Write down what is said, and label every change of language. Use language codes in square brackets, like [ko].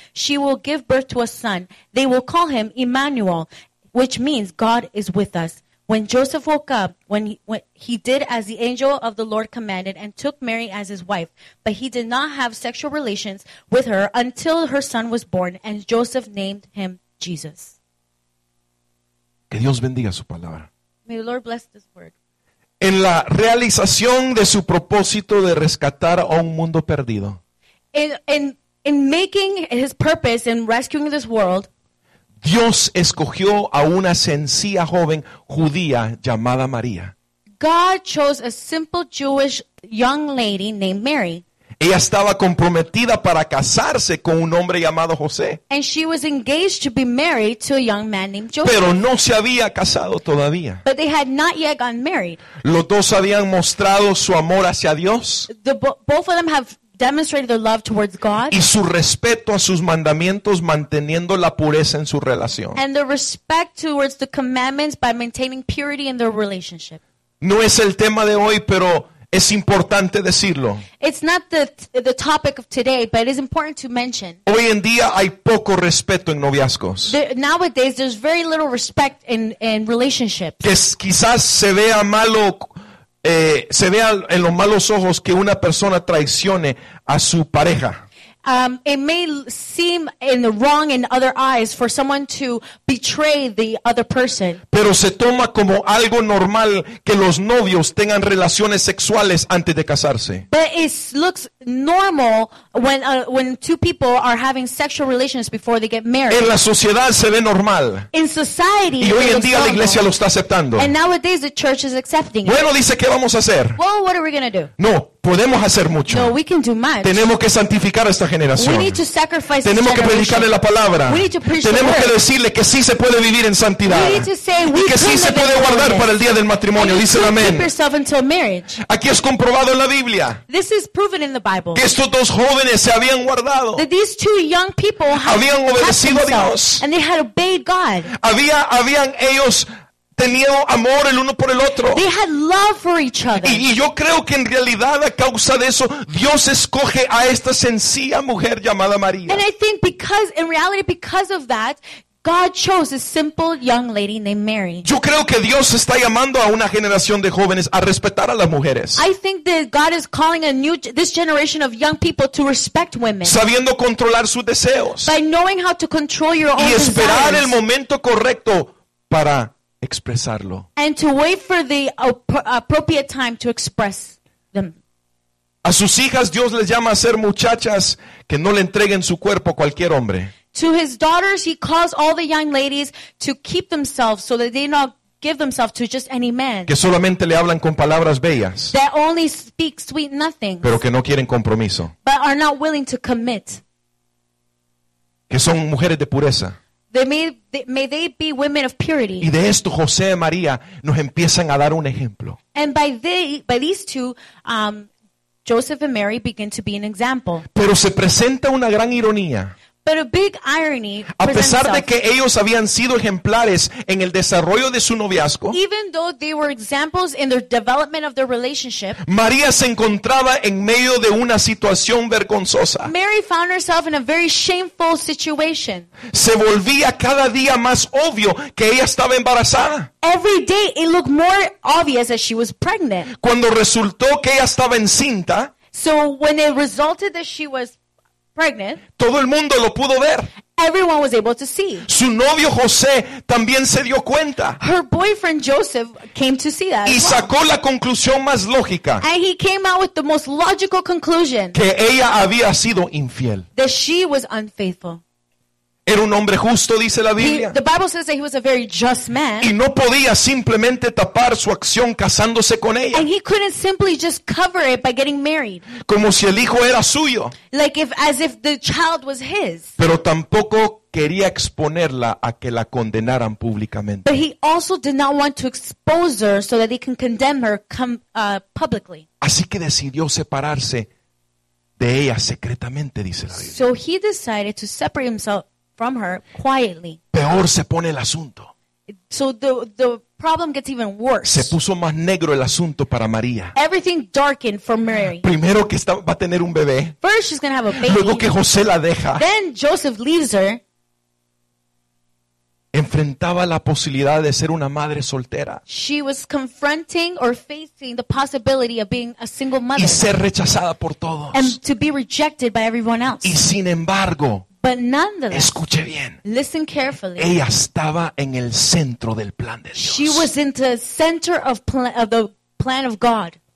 [en] She will give birth to a son. They will call him Emmanuel, which means God is with us. When Joseph woke up, he did as the angel of the Lord commanded and took Mary as his wife, but he did not have sexual relations with her until her son was born, and Joseph named him Jesus. [es] Que Dios bendiga su palabra. [en] May the Lord bless this word. [es] En la realización de su propósito de rescatar a un mundo perdido. [en] In making his purpose in rescuing this world, [es] Dios escogió a una sencilla joven judía llamada María. [en] God chose a simple Jewish young lady named Mary. [es] Ella estaba comprometida para casarse con un hombre llamado José. [en] And she was engaged to be married to a young man named Joseph. [es] Pero no se había casado todavía. [en] But they had not yet gotten married. [es] Los dos habían mostrado su amor hacia Dios. [en] Both of them have demonstrated their love towards God, [es] y su respeto a sus mandamientos, manteniendo la pureza en su relación, [en] and their respect towards the commandments by maintaining purity in their relationship. [es] No es el tema de hoy, pero es importante decirlo. [en] It's not the topic of today, but it is important to mention. [es] Hoy en día hay poco respeto en noviazgos. [en] Nowadays there's very little respect in relationships. [es] Que quizás se vea malo. Se ve en los malos ojos que una persona traicione a su pareja. [en] It may seem in the wrong in other eyes for someone to betray the other person. [es] Pero se toma como algo normal que los novios tengan relaciones sexuales antes de casarse. [en] But it looks normal when two people are having sexual relations before they get married. [es] En la sociedad se ve normal. [en] In society, [es] y hoy en día normal. La iglesia lo está aceptando. [en] And nowadays the church is accepting [es] it. Bueno, dice, ¿qué vamos a hacer? [en] Well, what are we going to do? [es] No, podemos hacer mucho. [en] No, we can do much. [es] Tenemos que santificar a esta generación. [en] We need to sacrifice. [es] Tenemos que predicarle la palabra. [en] We need to preach. [es] Tenemos [en] the [es] que decirle que sí se puede vivir en santidad. [en] We need to say we [es] y que sí se puede guardar para el día del matrimonio. [en] We [es] dice el amén. [en] Until [es] aquí es comprobado en la Biblia. [en] This is proven in the Bible. [es] Que estos dos jóvenes se habían guardado. [en] That these two young people [es] habían obedecido a Dios. [en] And they had obeyed God. [es] Habían ellos tenían amor el uno por el otro. [en] They had love for each other. [es] Y yo creo que en realidad a causa de eso Dios escoge a esta sencilla mujer llamada María. [en] And I think because in reality because of that God chose a simple young lady named Mary. [es] Yo creo que Dios está llamando a una generación de jóvenes a respetar a las mujeres. [en] I think that God is calling a new this generation of young people to respect women. [es] Sabiendo controlar sus deseos. [en] By knowing how to control your own desires. [es] Y esperar el momento correcto para expresarlo. [en] And to wait for the appropriate time to express them. [es] A sus hijas Dios les llama a ser muchachas que no le entreguen su cuerpo a cualquier hombre. [en] To his daughters he calls all the young ladies to keep themselves so that they not give themselves to just any man. [es] Que solamente le hablan con palabras bellas. [en] That only speak sweet nothings. [es] Pero que no quieren compromiso. [en] But are not willing to commit. [es] Que son mujeres de pureza. [en] May they be women of purity. [es] Y de esto José y María nos empiezan a dar un ejemplo. [en] And by these two, Joseph and Mary begin to be an example. [es] Pero se presenta una gran ironía. [en] But a big irony. [es] A pesar de que ellos habían sido ejemplares en el desarrollo de su noviazgo. [en] Even though they were examples in the development of their relationship. [es] María se encontraba en medio de una situación vergonzosa. [en] Mary found herself in a very shameful situation. [es] Se volvía cada día más obvio que ella estaba embarazada. [en] Every day it looked more obvious that she was pregnant. [es] Cuando resultó que ella estaba encinta. [en] So when it resulted that she was pregnant, [es] todo el mundo lo pudo ver. [en] Everyone was able to see. [es] Su novio José también se dio cuenta. [en] Her boyfriend Joseph came to see that. [es] Y sacó la conclusión más lógica. [en] And he came out with the most logical conclusion. [es] Que ella había sido infiel. [en] That she was unfaithful. [es] Era un hombre justo, dice la Biblia. [en] The Bible says that he was a very just man. [es] Y no podía simplemente tapar su acción casándose con ella. [en] And he couldn't simply just cover it by getting married. [es] Como si el hijo era suyo. [en] Like if, as if the child was his. [es] Pero tampoco quería exponerla a que la condenaran públicamente. [en] But he also did not want to expose her so that they can condemn her publicly. [es] Así que decidió separarse de ella secretamente, dice la Biblia. [en] So he decided to separate himself from her quietly. [es] Peor se pone el asunto. [en] So the problem gets even worse. [es] Se puso más negro el asunto para María. [en] Everything darkened for Mary. [es] Primero que está, va a tener un bebé. [en] First she's gonna have a baby. [es] Luego que José la deja. [en] Then Joseph leaves her. [es] Enfrentaba la posibilidad de ser una madre soltera. [en] She was confronting or facing the possibility of being a single mother. [es] Y ser rechazada por todos. [en] And to be rejected by everyone else. [es] Y sin embargo, [en] but nonetheless, [es] escuche bien. [en] Listen carefully. [es] Ella estaba en el centro del plan de Dios. [en] She was in the center of the plan of God.